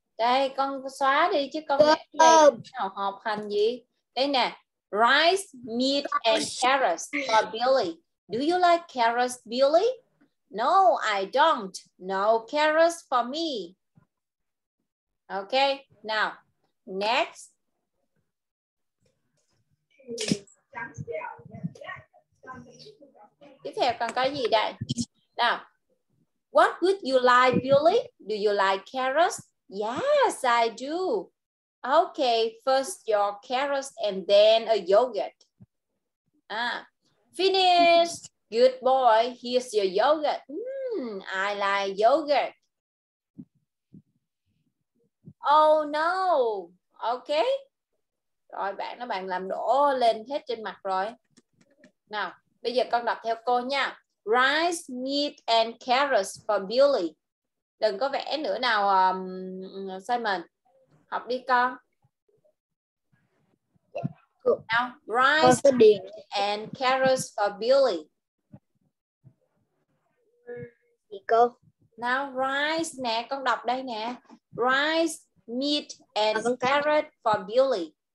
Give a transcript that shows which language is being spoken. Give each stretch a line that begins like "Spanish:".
Vietnamese: Đây, con xóa đi chứ con để đây nào họp hành gì. Đây nè.
English: Rice, meat and carrots for Billy. Do you like carrots, Billy? No, I don't. No carrots for me. Okay, now. Next.
Vietnamese: Tiếp theo con có gì đây?
English: Now, what would you like, Billy? Do you like carrots? Yes, I do. Okay, first your carrots and then a yogurt. Finished. Good boy. Here's your yogurt. I like yogurt. Oh no. Okay.
Vietnamese: Rồi bạn nó bạn làm đổ lên hết trên mặt rồi. Nào. Bây giờ con đọc theo cô nha.
English: Rice, meat and carrots for Billy.
Vietnamese: Đừng có vẽ nữa nào Simon. Học đi con.
English: Now, rice, meat and carrots for Billy.
Vietnamese: Đi cô.
English: Now, rice
Vietnamese: nè, con đọc đây nè.
English: Rice, meat and carrot for Billy.